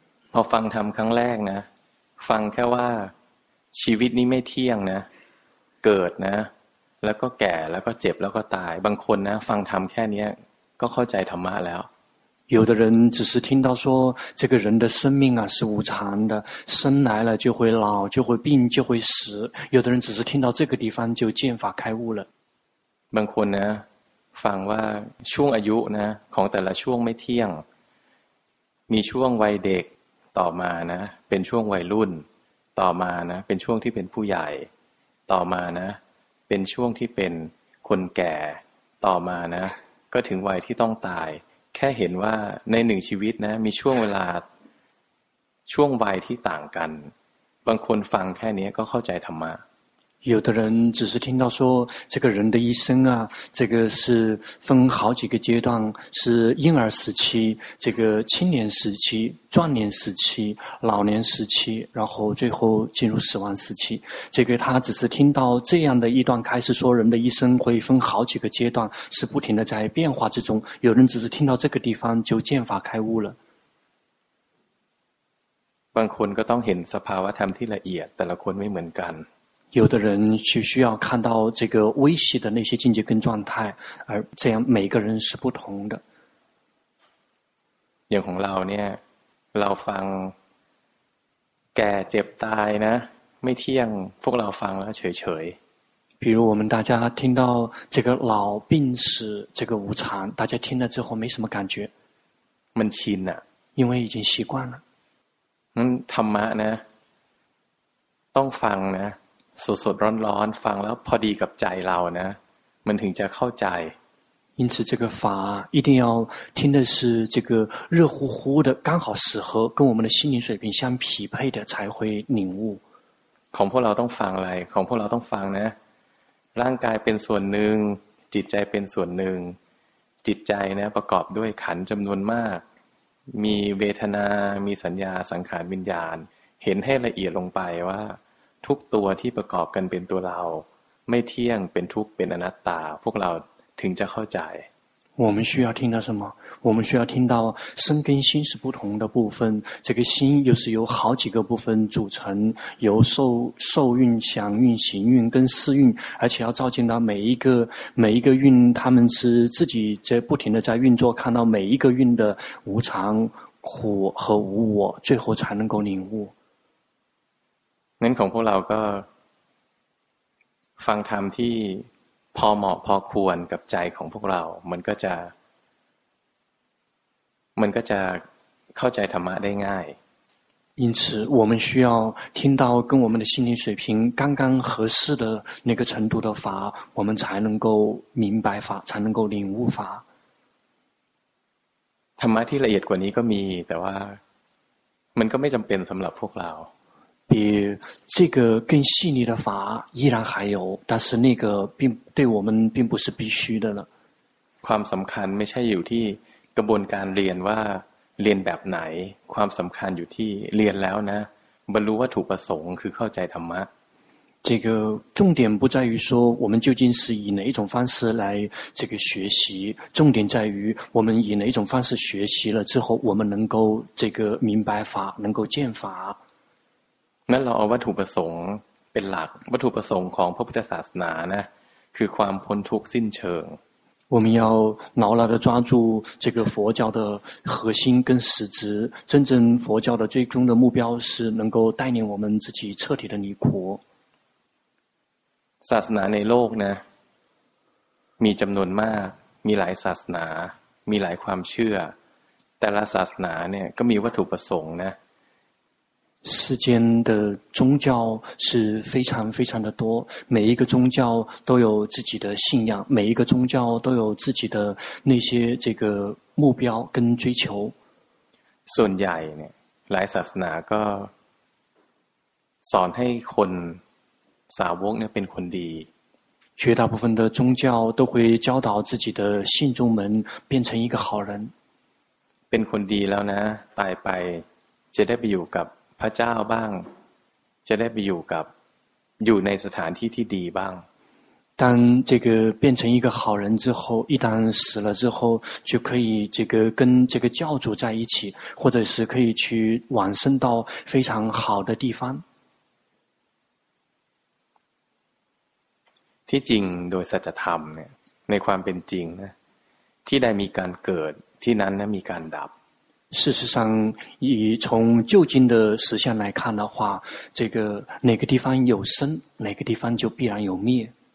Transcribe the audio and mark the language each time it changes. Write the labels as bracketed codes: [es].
[th] พอฟังธรรมครั้งแรกนะฟังแค่ว่าชีวิตนี้ไม่เที่ยงนะเกิดนะแล้วก็แก่แล้วก็เจ็บแล้วก็ตายบางคนนะฟังธรรมแค่นี้ก็เข้าใจธรรมะแล้ว [zh] 有的人只是听到说这个人的生命啊是无常的生来了就会老就会病就会死有的人只是听到这个地方就见法开悟了 [th] บางคนนะฟังว่าช่วงอายุนะของแต่ละช่วงไม่เที่ยงมีช่วงวัยเด็กต่อมานะเป็นช่วงวัยรุ่นต่อมานะเป็นช่วงที่เป็นผู้ใหญ่ต่อมานะเป็นช่วงที่เป็นคนแก่ต่อมานะก็ถึงวัยที่ต้องตายแค่เห็นว่าในหนึ่งชีวิตนะมีช่วงเวลาช่วงวัยที่ต่างกันบางคนฟังแค่นี้ก็เข้าใจธรรมะ [zh] 有的人只是听到说这个人的一生啊，这个是分好几个阶段，是婴儿时期，这个青年时期，壮年时期，老年时期，然后最后进入死亡时期。这个他只是听到这样的一段开始，说人的一生会分好几个阶段，是不停的在变化之中。有人只是听到这个地方就见法开悟了。 [th] บางคนก็ต้องเห็นสภาวะธรรมที่ละเอียดแต่ละคนไม่เหมือนกัน。 [zh] 有的人就需要看到这个微细的那些境界跟状态，而这样每个人是不同的。 [th] อย่างของเราเนี่ยเราฟังแก่เจ็บตายนะไม่เที่ยงพวกเราฟังแล้วเฉย [zh] ๆ比如我们大家听到这个老病死这个无常，大家听了之后没什么感觉。 [th] มันชินอ่ะ [zh] 因为已经习惯了。 [th] งั้นธรรมะนะต้องฟังนะสดๆร้อนๆฟังแล้วพอดีกับใจเรานะมันถึงจะเข้าใจ [zh] 因此这个法一定要听的是这个热乎乎的刚好适合跟我们的心灵水平相匹配的才会领悟 [th] ของพวกเราต้องฟังอะไรของพวกเราต้องฟังนะร่างกายเป็นส่วนหนึ่งจิตใจเป็นส่วนหนึ่งจิตใจนะประกอบด้วยขันธ์จำนวนมากมีเวทนามีสัญญาสังขารวิญญาณเห็นให้ละเอียดลงไปว่าทุกตัวที่ประกอบกันเป็นตัวเราไม่เที่ยงเป็นทุกข์เป็นอนัตตาพวกเราถึงจะเข้าใจ [zh] 我们需要听到什么我们需要听到身跟心是不同的部分这个心又是由好几个部分组成由受运想运行运跟思运而且要照见到每一个运他们是自己在不停的在运作看到每一个运的无常苦和无我最后才能够领悟 [th] งั้นของพวกเราก็ฟังธรรมที่พอเหมาะพอควรกับใจของพวกเรามันก็จะเข้าใจธรรมะได้ง่าย [zh] 因此我们需要听到跟我们的心灵水平刚刚合适的那个程度的法我们才能够明白法才能够领悟法 [th] ธรรมะที่ละเอียดกว่านี้ก็มีแต่ว่ามันก็ไม่จำเป็นสำหรับพวกเรา [zh] Be, 这个更细腻的法依然还有但是那个并对我们并不是必须的了 [th] ความสำคัญไม่ใช่อยู่ที่กระบวนการเรียนว่าเรียนแบบไหนความสำคัญอยู่ที่เรียนแล้วนะบรรลุวัตถุประสงค์คือเข้าใจธรรมะ [zh] 这个重点不在于说我们究竟是以哪一种方式来这个学习重点在于我们以哪一种方式学习了之后我们能够这个明白法能够见法 [th] นั่นเราเอาวัตถุประสงค์เป็นหลักวัตถุประสงค์ของพระพุทธศาสนานะคือความพ้นทุกข์สิ้นเชิง [zh] 我们要牢牢地抓住这个佛教的核心跟实质真正佛教的最终的目标是能够带领我们自己彻底的离苦 [th] ศาสนาในโลกนะมีจำนวนมากมีหลายศาสนามีหลายความเชื่อแต่ละศาสนาเนี่ยก็มีวัตถุประสงค์นะ [zh] 世间的宗教是非常非常的多每一个宗教都有自己的信仰每一个宗教都有自己的那些这个目标跟追求 [th] ส่วนใหญ่เนี่ยหลายศาสนาก็สอนให้คนสาวกเนี่ยเป็นคนดี [zh] 绝大部分的宗教都会教导自己的信众们变成一个好人 [th] เป็นคนดีแล้วนะตายไปจะได้ไปอยู่กับพระเจ้าบ้างจะได้ไปอยู่กับอยู่ในสถานที่ที่ดีบ้าง [zh] 当这个变成一个好人之后一旦死了之后就可以这个跟这个教主在一起或者是可以去往生到非常好的地方 [th] ที่จริงโดยสัจธรรมเนี่ยในความเป็นจริงนะที่ได้มีการเกิดที่นั้นนะมีการดับ [zh] 事实上以从究竟的实相来看的话这个哪个地方有生哪个地方就必然有灭